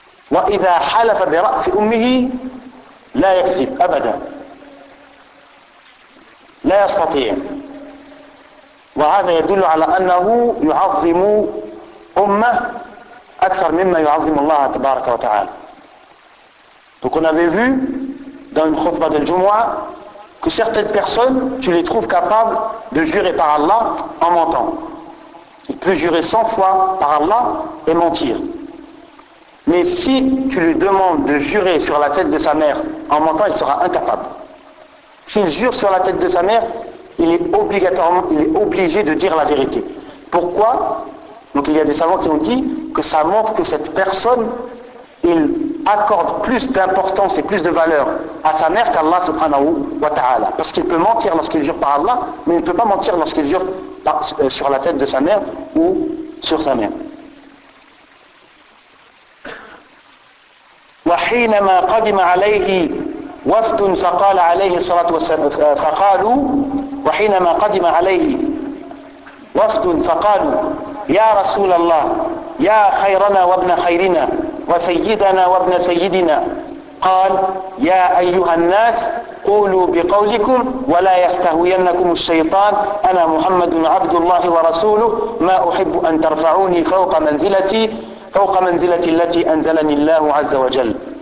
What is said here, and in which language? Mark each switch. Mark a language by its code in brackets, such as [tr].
[ar] وإذا حلف برأس أمه, لا يكذب أبدا. لا يستطيع. وهذا يدل على أنه يعظم أمه أكثر مما يعظم الله تبارك وتعالى. [fr] Donc on avait vu dans une khutbah de Jumu'ah que certaines personnes, tu les trouves capables de jurer par Allah en mentant. Il peut jurer 100 fois par Allah et mentir. Mais si tu lui demandes de jurer sur la tête de sa mère en mentant, il sera incapable. S'il jure sur la tête de sa mère, il est obligé de dire la vérité. Pourquoi ? Donc il y a des savants qui ont dit que ça montre que cette personne, il accorde plus d'importance et plus de valeur à sa mère qu'à Allah [ar] subhanahu wa ta'ala. [fr] Parce qu'il peut mentir lorsqu'il jure par Allah, mais il ne peut pas mentir lorsqu'il jure sur la tête de sa mère ou sur sa mère. [ar] وَحِينَمَا قَدِمَ عَلَيْهِ وفد فقال عليه الصلاة والسلام فقالوا وحينما قدم عليه وفد فقالوا يا رسول الله يا خيرنا وابن خيرنا وسيدنا وابن سيدنا قال يا أيها الناس قولوا بقولكم ولا يستهوينكم الشيطان أنا محمد عبد الله ورسوله ما أحب أن ترفعوني فوق منزلتي التي أنزلني الله عز وجل